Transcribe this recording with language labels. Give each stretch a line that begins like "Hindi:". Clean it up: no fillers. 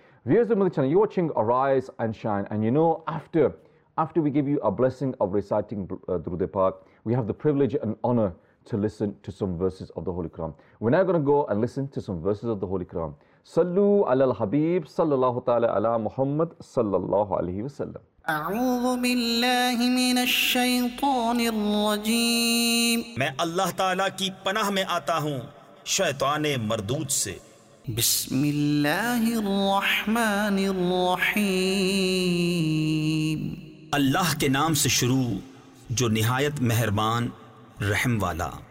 English: Viewers of the channel, you're watching Arise and Shine. And you know, after we give you a blessing of reciting Durood e Pak, we have the privilege and honor to listen to some verses of the Holy Quran. We're now going to go and listen to some verses of the Holy Quran.
Arabic: صلوا على الحبيب صلى الله تعالى على محمد صلى الله عليه وسلم أعوذ بالله من الشيطان الرجيم
Urdu: میں اللہ تعالی کی پناہ میں آتا ہوں شیطان مردود سے
Arabic: بسم اللہ الرحمن الرحیم
Urdu: اللہ کے نام سے شروع جو نہایت مہربان رحم والا